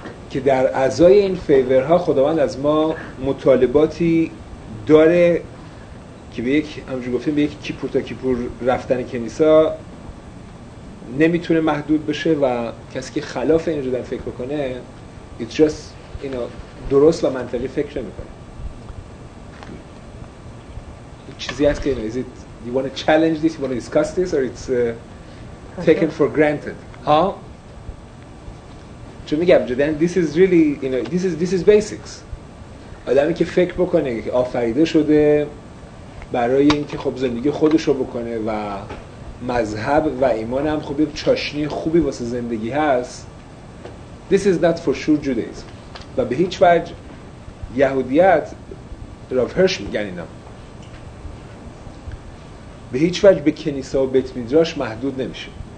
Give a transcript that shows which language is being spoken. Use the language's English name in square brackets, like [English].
[Persian] که در اعضای این فیورها خداوند از ما مطالباتی داره که به یک، همونجور گفتیم، به یک کیپور تا کیپور رفتن کنیسا نمیتونه محدود بشه و کسی که خلاف این رو در فکر کنه [English] it's just you know، [Persian] درست و منطقی فکر نمی کنه. چیزی هست که [English] is it you want to challenge this, you want to discuss this or it's taken for granted، [Persian] ها؟ چون میگم جدن [English] this is really you know this is basics. [Persian] آدمی که فکر بکنه که آفریده شده برای اینکه خب زندگی خودش رو بکنه و مذهب و ایمان هم خب یک چاشنی خوبی واسه زندگی هست، [English] this is not for sure Judaism. [Persian] و به هیچ وجه یهودیت، راف هرش میگن اینا، به هیچ وجه به کنیسا و بیت میدراش محدود نمیشه.